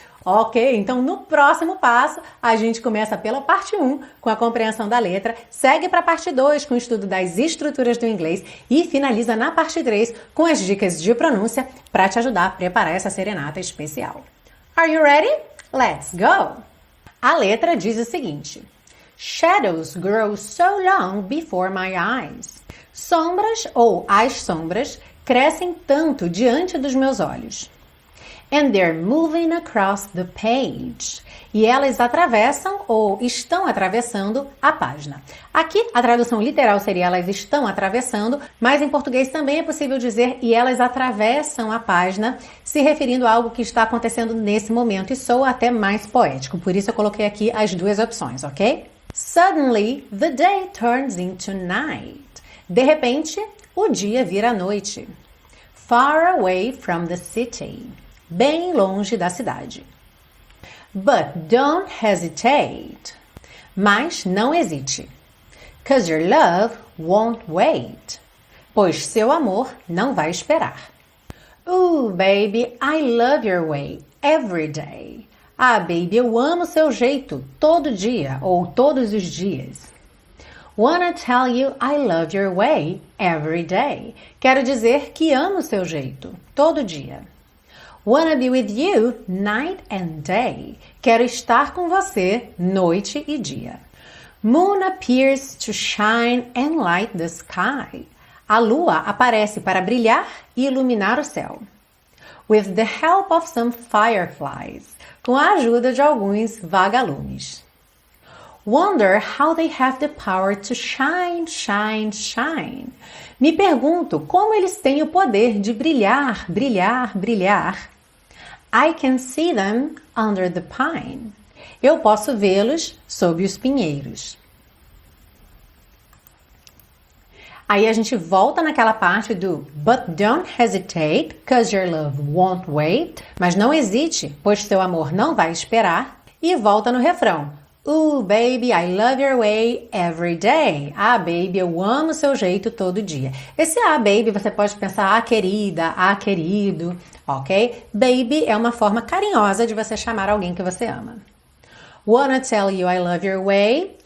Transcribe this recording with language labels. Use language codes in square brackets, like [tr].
[pt] Ok, então no próximo passo, a gente começa pela parte 1, com a compreensão da letra, segue para a parte 2, com o estudo das estruturas do inglês, e finaliza na parte 3, com as dicas de pronúncia, para te ajudar a preparar essa serenata especial. [en] Are you ready? Let's go! [pt] A letra diz o seguinte: [en] Shadows grow so long before my eyes. [pt] Sombras, ou as sombras, crescem tanto diante dos meus olhos. [en] And they're moving across the page. [pt] E elas atravessam ou estão atravessando a página. Aqui, a tradução literal seria elas estão atravessando, mas em português também é possível dizer e elas atravessam a página, se referindo a algo que está acontecendo nesse momento e soa até mais poético. Por isso eu coloquei aqui as duas opções, ok? [en] Suddenly, the day turns into night. [pt] De repente, o dia vira noite. [en] Far away from the city. [pt] Bem longe da cidade. [en] But don't hesitate. [pt] Mas não hesite. [en] 'Cause your love won't wait. [pt] Pois seu amor não vai esperar. [en] Ooh, baby, I love your way every day. [pt] Ah, baby, eu amo seu jeito todo dia ou todos os dias. [en] Wanna tell you I love your way every day. [pt] Quero dizer que amo seu jeito todo dia. [en] Wanna be with you night and day. [pt] Quero estar com você noite e dia. [en] Moon appears to shine and light the sky. [pt] A lua aparece para brilhar e iluminar o céu. [en] With the help of some fireflies. [pt] Com a ajuda de alguns vagalumes. [en] Wonder how they have the power to shine, shine, shine. [pt] Me pergunto como eles têm o poder de brilhar, brilhar, brilhar. [en] I can see them under the pine. [pt] Eu posso vê-los sob os pinheiros. Aí a gente volta naquela parte do [en] but don't hesitate, because your love won't wait. [pt] Mas não hesite, pois seu amor não vai esperar. E volta no refrão. [en] Ooh, baby, I love your way every day. [pt] Ah, baby, eu amo o seu jeito todo dia. Esse ah, baby, você pode pensar, ah, querida, ah, querido, ok? Baby é uma forma carinhosa de você chamar alguém que você ama. [en] Wanna tell you I love your way.